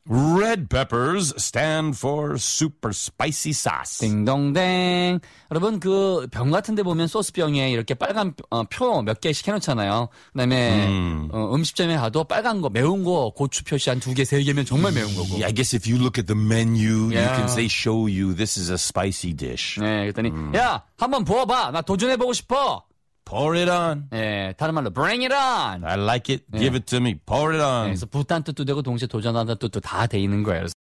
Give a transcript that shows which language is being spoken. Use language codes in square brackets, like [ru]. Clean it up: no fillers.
[en] Red peppers stand for super spicy sauce. [ko] 딩동댕. 여러분 그 병 같은 데 보면 소스병에 이렇게 빨간 표 몇 개씩 해놓잖아요. 그다음에 음식점에 가도 빨간 거 매운 거 고추 표시 한 두 개 세 개면 정말 매운 거고. [en] I guess if you look at the menu, you can say show you this is a spicy dish. [ko] 네, 그랬더니 야 한번 부어봐. 나 도전해보고 싶어. [en] Pour it on. [ko] 예, 다른 말로 [en] bring it on. I like it. Give it to me. Pour it on. [ko] 그래서 부탄 뜻도 되고 동시에 도전한다 뜻도 다 돼 있는 거예요.